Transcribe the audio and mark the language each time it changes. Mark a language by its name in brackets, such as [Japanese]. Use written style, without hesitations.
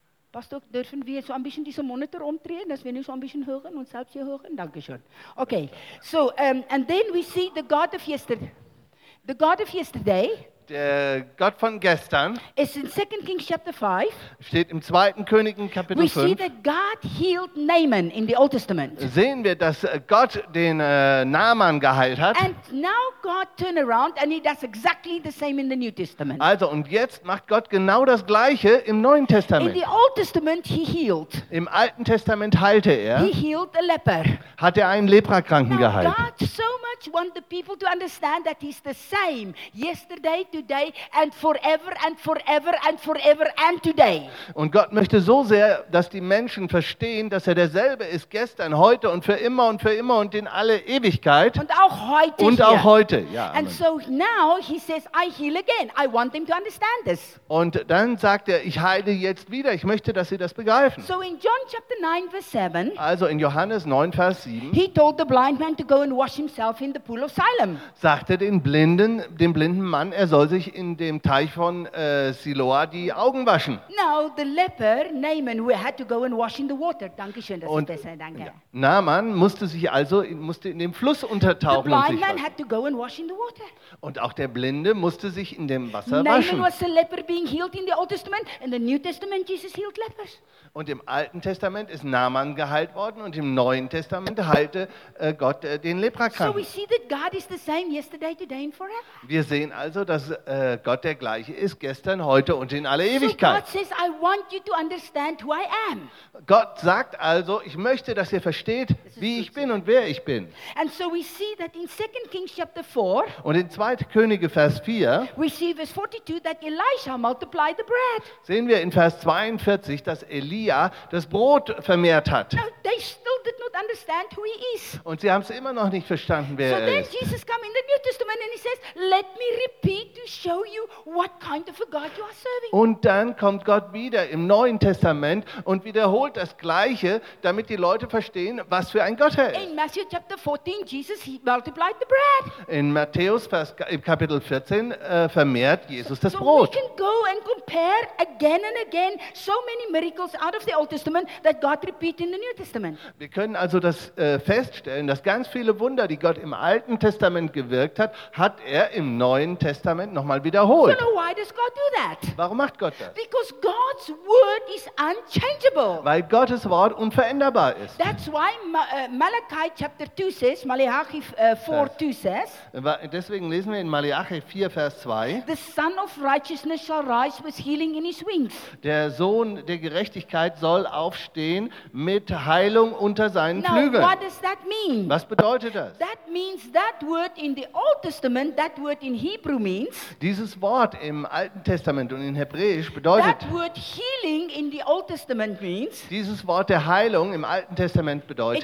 [German] Pastor, dürfen wir so ein bisschen diesen Monitor umdrehen, dass wir nicht so ein bisschen hören und selbst hier hören? Dankeschön. [English] Okay, so, and then we see the God of yesterday. [German] Der Gott von gestern [English] in 2 Kings chapter 5, [German] steht im 2. Königen Kapitel 5. [English] We see that God healed Naaman in the Old Testament. [German] Sehen wir, dass Gott den Naaman geheilt hat. [English] And now God turned around and he does exactly the same in the New Testament. [German] Also, und jetzt macht Gott genau das gleiche im Neuen Testament. [English] In the Old Testament he healed. [German] Im Alten Testament heilte er. [English] He healed a leper. [German] Hat er einen Leprakranken [English] now, [German] geheilt. [English] God so much want the people to understand that he's the same yesterday, today and forever and forever and forever and today. [German] Und Gott möchte so sehr, dass die Menschen verstehen, dass er derselbe ist gestern, heute und für immer und in alle Ewigkeit. Und auch heute. Und auch heute, ja. [English] And so now he says, I heal again. I want them to understand this. [German] Und dann sagt er, ich heile jetzt wieder. Ich möchte, dass sie das begreifen. [English] So in John chapter 9 verse 7. [German] Also in Johannes 9 Vers 7. [English] He told the blind man to go and wash himself in the pool of Siloam. [German] Sagte dem blinden Mann, er soll sich in dem Teich von Siloa die Augen waschen. [English] Now the leper Naaman who had to go and wash in the water. [German] Danke schön, das ist besser, danke. Naaman musste in dem Fluss untertauchen. [English] The blind man had to go and wash in the water. [German] Und auch der Blinde musste sich in dem Wasser [English] Naaman [German] waschen. [English] Naaman was a leper being healed in the Old Testament, in the New Testament Jesus healed lepers. [German] Und im Alten Testament ist Naaman geheilt worden und im Neuen Testament heilte Gott den Leprakranken. [English] So we see that God is the same yesterday, today and forever. [German] Wir sehen also, dass Gott der gleiche ist gestern, heute und in alle Ewigkeit. [English] So God says, I want you to understand who I am. [German] Gott sagt also, ich möchte, dass ihr versteht, wie ich bin und wer ich bin. [English] And so we see that in 2 Kings chapter 4. [German] Und in 2. Könige Vers 4. [English] We see verse 42 that Elisha multiplied the bread. [German] Sehen wir in Vers 42, dass Elia das Brot vermehrt hat. [English] Now they still did not understand who he is. [German] Und sie haben es immer noch nicht verstanden, wer [English] so [German] er ist. [English] So then Jesus came in the New Testament and he says, let me repeat to show you what kind of a God you are serving. [German] Und dann kommt Gott wieder im Neuen Testament und wiederholt das Gleiche, damit die Leute verstehen, was für ein Gott er ist. [English] In Matthew chapter 14, Jesus multiplied the bread. [German] In Matthäus im Kapitel 14 vermehrt Jesus das [English] so [German] Brot. [English] We can go and compare again and again so many miracles out of the Old Testament that God repeat in the New Testament. [German] Wir können also das feststellen, dass ganz viele Wunder, die Gott im Alten Testament gewirkt hat, hat er im Neuen Testament nochmal wiederholt. [English] So why does God do that? [German] Warum macht Gott das? [English] Because God's word is unchangeable. [German] Weil Gottes Wort unveränderbar ist. [English] That's why Malachi chapter 2 says, Malachi 4:2 says. [German] Deswegen lesen wir in Malachi 4 Vers 2. [English] The Son of Righteousness shall rise with healing in his wings. [German] Der Sohn der Gerechtigkeit soll aufstehen mit Heilung unter seinen [English] Now, [German] Flügeln. [English] What does that mean? [German] Was bedeutet das? [English] That means that word in the Old Testament, that word in Hebrew means. [German] Dieses Wort im Alten Testament und in Hebräisch bedeutet. [English] That word healing in the Old Testament means. [German] Dieses Wort der Heilung im Alten Testament bedeutet.